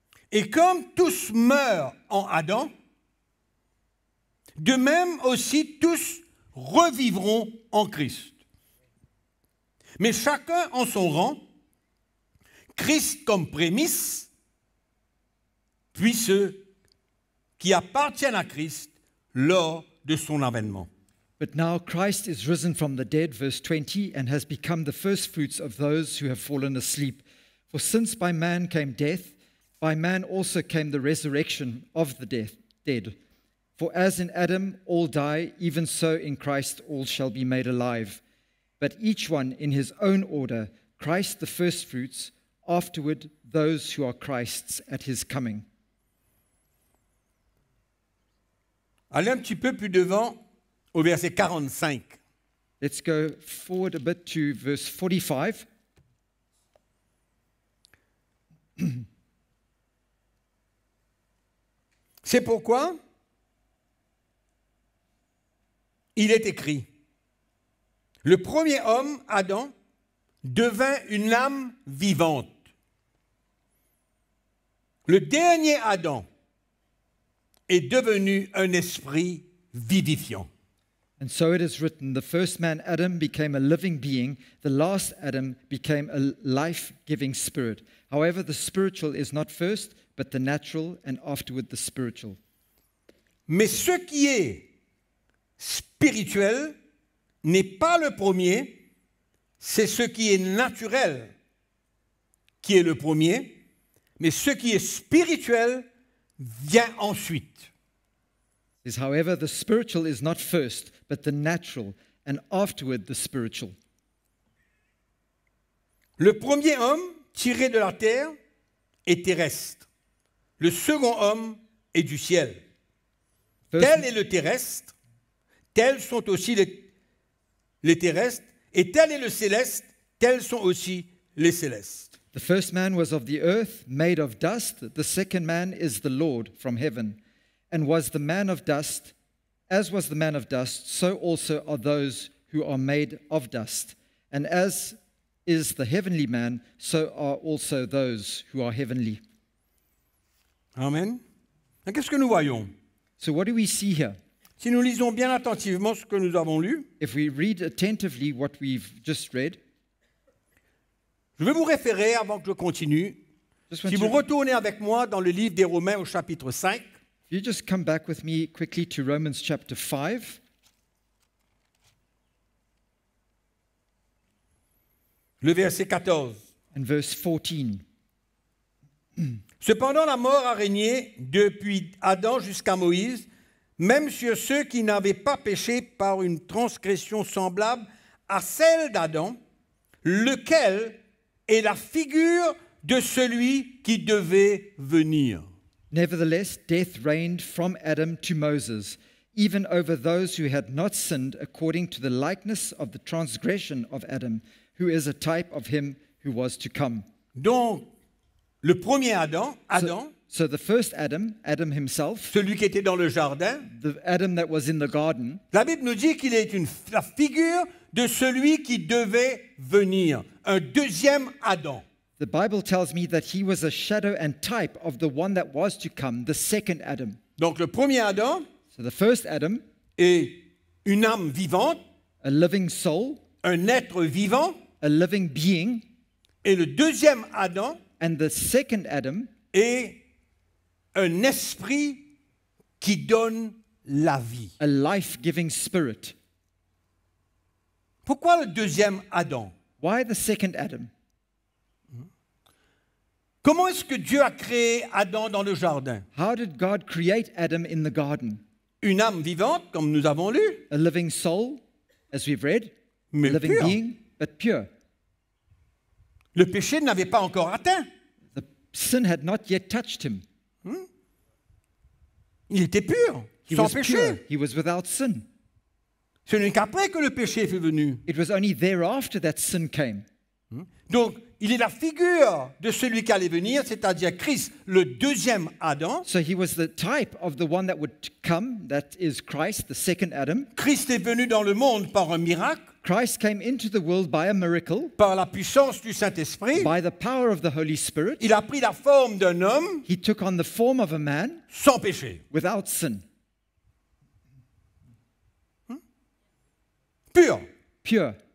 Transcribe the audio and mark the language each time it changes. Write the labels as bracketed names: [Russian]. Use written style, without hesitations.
[French] Et comme tous meurent en Adam, de même aussi tous revivront en Christ. Mais chacun en son rang, Christ comme prémisse, puis ceux qui appartiennent à Christ lors de son avènement. [English] But now Christ is risen from the dead, verse 20, and has become the first fruits of those who have fallen asleep. For since by man came death, by man also came the resurrection of the dead. For as in Adam all die, even so in Christ all shall be made alive. But each one in his own order, Christ the first fruits, afterward those who are Christ's at his coming. [French] Allez un petit peu plus devant au verset 45. [English] Let's go forward a bit to verse 45. [French] C'est pourquoi il est écrit, le premier homme, Adam, devint une âme vivante. Le dernier Adam est devenu un esprit vivifiant. [English] And so it is written, the first man, Adam, became a living being, the last Adam became a life-giving spirit. However, the spiritual is not first, but the natural and afterward the spiritual. [French] Mais ce qui est spirituel n'est pas le premier, c'est ce qui est naturel qui est le premier, mais ce qui est spirituel vient ensuite. [English] Is however the spiritual is not first, but the natural and afterward the spiritual. [French] Le premier homme tiré de la terre est terrestre. Le second homme est du ciel. Tel est le terrestre, tels sont aussi les terrestres, et tel est le céleste, tels sont aussi les célestes. [English] The first man was of the earth, made of dust. The second man is the Lord from heaven. And was the man of dust, as was the man of dust, so also are those who are made of dust. And as is the heavenly man, so are also those who are heavenly. [French] Amen. Et qu'est-ce que nous voyons? [English] So what do we see here? [French] Si nous lisons bien attentivement ce que nous avons lu, [English] if we read attentively what we've just read, [French] je vais vous référer avant que je continue. Si vous retournez avec moi dans le livre des Romains au chapitre 5, [English] if you just come back with me quickly to Romans chapter 5. [French] Le verset 14. [English] And verse 14. [French] Cependant, la mort a régné depuis Adam jusqu'à Moïse, même sur ceux qui n'avaient pas péché par une transgression semblable à celle d'Adam, lequel est la figure de celui qui devait venir. [English] Nevertheless, death reigned from Adam to Moses, even over those who had not sinned according to the likeness of the transgression of Adam, who is a type of him who was to come. [French] Donc, le premier Adam, [English] So the first Adam, Adam himself, [French] celui qui était dans le jardin, [English] the Adam that was in the garden, [French] la Bible nous dit qu'il est la figure de celui qui devait venir, un deuxième Adam. [English] The Bible tells me that he was a shadow and type of the one that was to come, the second Adam. [French] Donc le premier Adam, [English] so the first Adam, [French] est une âme vivante, [English] a living soul, [French] un être vivant, [English] a living being, [French] et le deuxième Adam, [English] and the second Adam, [French] est un esprit qui donne la vie. [English] A life-giving spirit. [French] Pourquoi le deuxième Adam? [English] Why the second Adam? [French] Comment est-ce que Dieu a créé Adam dans le jardin? [English] How did God create Adam in the garden? [French] Une âme vivante, comme nous avons lu. [English] A living soul, as we've read. [French] Mais [English] a living [French] pure. [English] Being, but pure. [French] Le péché n'avait pas encore atteint. [English] The sin had not yet touched him. [French] Il était pur, sans péché. [English] He was without sin. [French] Ce n'est qu'après que le péché est venu. [English] It was only thereafter that sin came. [French] Donc, il est la figure de celui qui allait venir, c'est-à-dire Christ, le deuxième Adam. [English] So he was the type of the one that would come, that is Christ, the second Adam. [French] Christ est venu dans le monde par un miracle. [English] Christ came into the world by a miracle. [French] Par la puissance du Saint-Esprit. [English] By the power of the Holy Spirit. [French] Il a pris la forme d'un homme. [English] He took on the form of a man. [French] Sans péché. [English] Without sin. [French] Pur. [English] Pure.